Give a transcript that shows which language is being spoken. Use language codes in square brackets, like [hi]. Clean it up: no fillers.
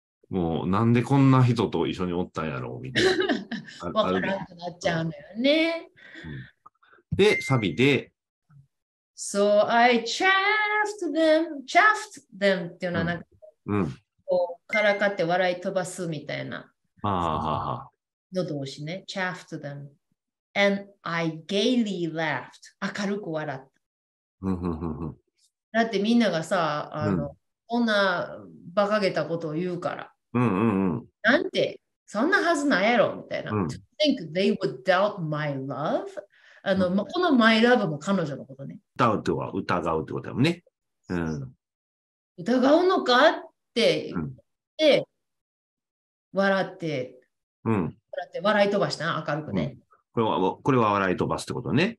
[ja] もうなんでこんな人と一緒におったんやろうみたいな。わからなくなっちゃうのよね。うん、で、サビで。 [en] So I chaffed them, chaffed them [ja] っていうのはなんか、うん、こうからかって笑い飛ばすみたいな。ああ。の動詞ね。 [en] chaffed them. And I gaily laughed. [ja] 明るく笑った。だってみんながさ、こんな馬鹿げたことを言うから。うんうんうん、なんて、そんなはずないやろみたいな。 [en] うん、to think they would doubt my love? [ja] うん、このマイラブも彼女のことね。ダウトは疑うってことだもんね。うん、疑うのかって言って、うん、笑って、うん、笑って笑い飛ばした明るくね、うん、これは笑い飛ばすってことね。